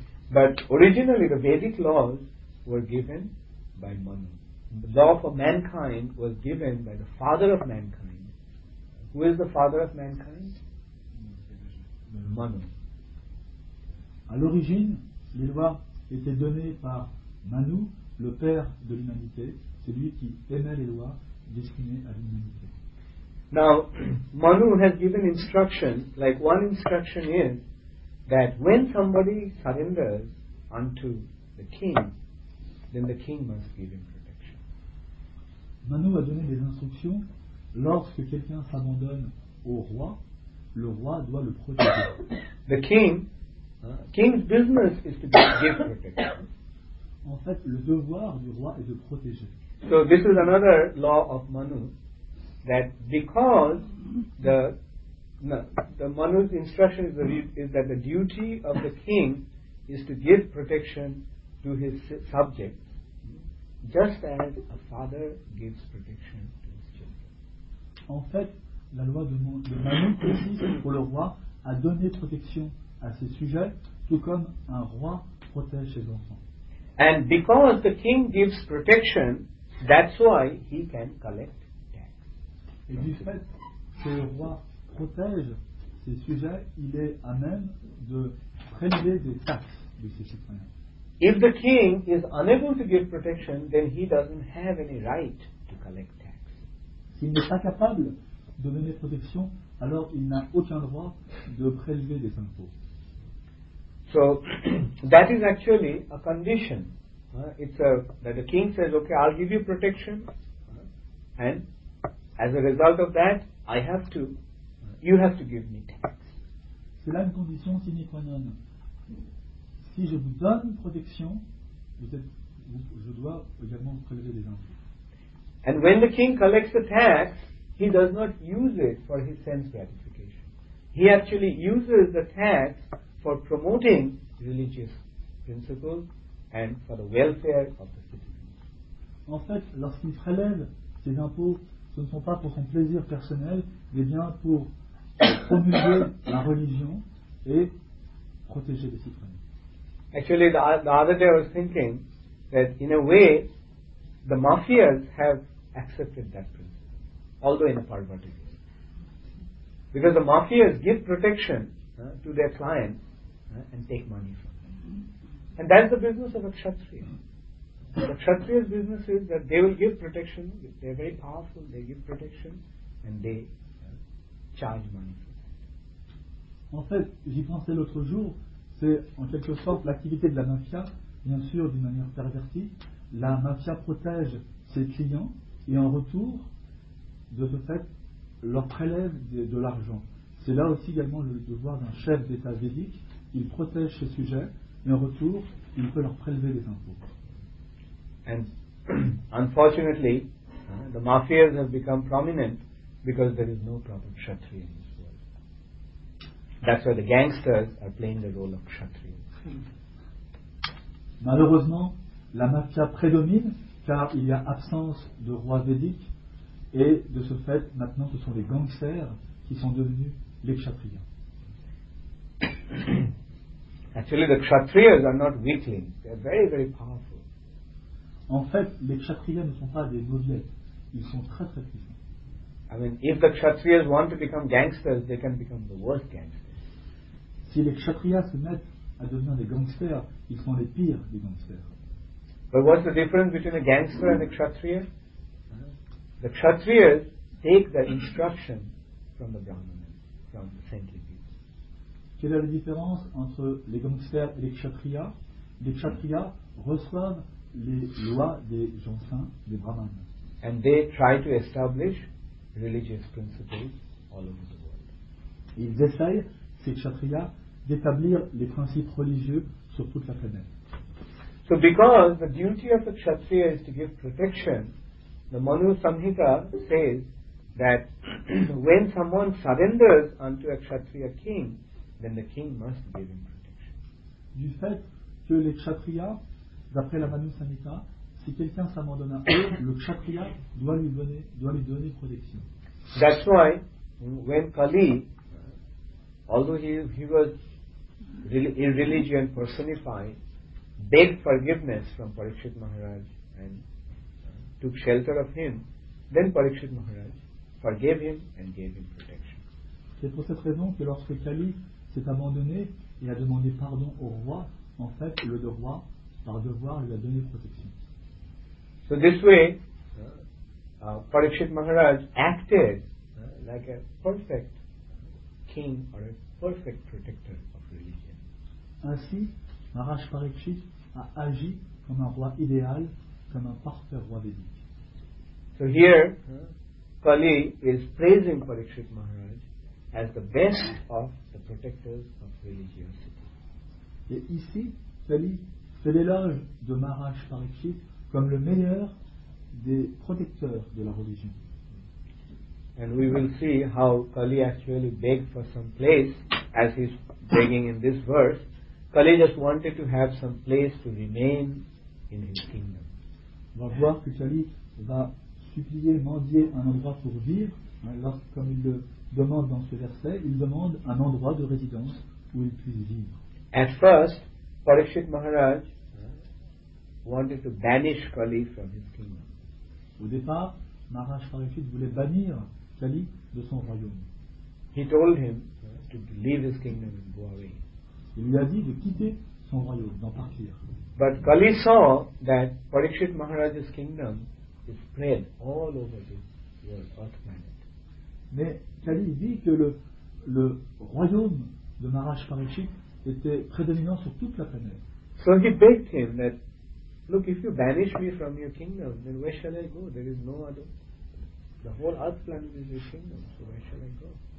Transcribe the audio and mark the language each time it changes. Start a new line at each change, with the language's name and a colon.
English: But originally the Vedic laws were given by Manu. The law for mankind was given by the father of mankind. Who is the father of mankind? Manu.
French: À l'origine, les lois étaient données par Manu, le père de l'humanité, celui qui aimait les lois destinées à l'humanité.
English: Now, Manu has given instructions, like one instruction is that when somebody surrenders unto the king, then the king must give him.
French: Manu a donné des instructions. Lorsque quelqu'un s'abandonne au roi, le roi doit le protéger.
English: The king, king's business is to give protection.
French: En fait, le devoir du roi est de protéger.
English: So this is another law of Manu, that because the Manu's instruction is that the duty of the king is to give protection to his subject. Just as a father gives protection to his children.
French: En fait, la loi de Manu précise pour le roi à donner protection à ses sujets, tout comme un roi protège ses enfants.
English: And because the king gives protection, that's why he can collect tax.
French: Et du fait que le roi protège ses sujets, il est à même de prélever des taxes de ses citoyens.
English: If the king is unable to give protection, then he doesn't have any right to collect tax.
French: S'il n'est pas capable de donner protection, alors il n'a aucun droit de prélever des impôts.
English: So that is actually a condition. It's a that the king says, okay, I'll give you protection, and as a result of that, I have to, you have to give me tax.
French: C'est là une condition sine qua non. Si je vous donne une protection, peut-être je dois également vous prélever des impôts.
English: And when the king collects the tax, he does not use it for his sense gratification. He actually uses the tax for promoting religious principles and for the welfare of the citizens.
French: En fait, lorsqu'il prélève ces impôts, ce ne sont pas pour son plaisir personnel, mais bien pour promouvoir la religion et protéger les citoyens.
English: Actually, the other day I was thinking that in a way, the mafias have accepted that principle, although in a perverted way. Because the mafias give protection to their clients and take money from them. And that's the business of a kshatriya. The kshatriya's business is that they will give protection, they're very powerful, they give protection, and they charge money for that.
French: En fait, j'y pensais l'autre jour. C'est en quelque sorte l'activité de la mafia, bien sûr d'une manière pervertie. La mafia protège ses clients et en retour, de ce fait, leur prélève de l'argent. C'est là aussi également le devoir d'un chef d'État védique. Il protège ses sujets et en retour, il peut leur prélever des impôts.
English: And unfortunately, the mafias have become prominent because there is no proper kshatriya. That's why the gangsters are playing the role of kshatriyas.
French: Malheureusement, la mafia prédomine car il y a absence de roi védique et de ce fait, maintenant, ce sont les gangsters qui sont devenus les kshatriyas.
English: Actually, the kshatriyas are not weaklings. They are very, very powerful.
French: En fait, les kshatriyas ne sont pas des noviettes. Ils sont très, très puissants.
English: I mean, if the kshatriyas want to become gangsters, they can become the worst gangsters.
French: Si les kshatriyas se mettent à devenir des gangsters, ils sont les pires des gangsters.
English: But what's the difference between a gangster and a kshatriya? The kshatriyas take their instruction from the brahmana, from the saintly people.
French: Quelle est la différence entre les gangsters et les kshatriyas? Les kshatriyas reçoivent les lois des gens saints, des brahmanes.
English: And they try to establish religious principles all over the world.
French: Ils essayent ces kshatriyas d'établir les principes religieux sur toute la planète.
English: So because the duty of the kshatriya is to give protection, the Manu Samhita says that when someone surrenders unto a kshatriya king, then the king must give him protection.
French: Du fait que les kshatriyas, d'après la Manu Samhita, si quelqu'un s'abandonne à eux, le kshatriya doit lui donner protection.
English: That's why when Kali, although he was irreligion personified, begged forgiveness from Parikshit Maharaj and took shelter of him, then Parikshit Maharaj forgave him and gave him protection.
French: C'est pour cette raison que lorsque Kali s'est abandonné et a demandé pardon au roi, en fait, le roi, par devoir, lui a donné protection.
English: So this way, Parikshit Maharaj acted like a perfect king or a perfect protector of religion.
French: Ainsi, Maharaj Parikshit a agi comme un roi idéal, comme un parfait roi védique.
English: So here, Kali is praising Parikshit Maharaj as the best of the protectors of religiosity.
French: Et ici, Kali fait l'éloge de Maharaj Parikshit comme le meilleur des protecteurs de la religion.
English: And we will see how Kali actually begged for some place, as he's begging in this verse. Kali just wanted to have some place to remain in his kingdom.
French: On va voir que Kali va supplier, mendier un endroit pour vivre. Alors, comme il le demande dans ce verset, il demande un endroit de résidence où il puisse vivre.
English: At first, Parikshit Maharaj wanted to banish Kali from his kingdom.
French: Au départ, Maharaj Parikshit voulait bannir Kali de son royaume.
English: He told him to leave his kingdom and go away.
French: Il lui a dit de quitter son royaume, d'en partir.
English: But Kali saw that Parikshit Maharaj's kingdom is spread all over the world, earth planet.
French: Mais Kali vit que le royaume de Maharaj Parikshit était prédominant sur toute la planète.
English: So he begged him that, look, if you banish me from your kingdom, then where shall I go? There is no other. The whole earth planet is your kingdom, so where shall I go?